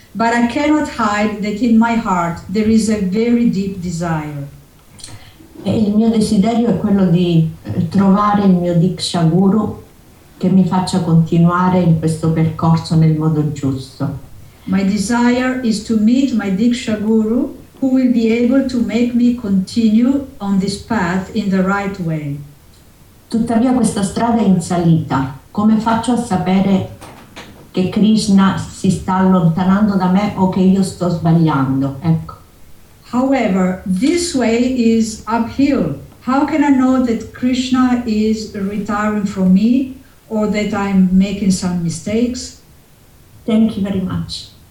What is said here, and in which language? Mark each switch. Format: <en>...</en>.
<en>But I cannot hide that in my heart there is a very deep desire.</en> <it>E il mio desiderio è quello di trovare il mio Diksha Guru che mi faccia continuare in questo percorso nel modo giusto.</it> <en>My desire is to meet my Diksha Guru who will be able to make me continue on this path in the right way.</en> <it>Tuttavia questa strada è in salita. Come faccio a sapere che Krishna si sta allontanando da me o che io sto sbagliando, ecco.</it> <en>However, this way is uphill. How can I know that Krishna is retiring from me or that I'm making some mistakes? Thank you very much.</en>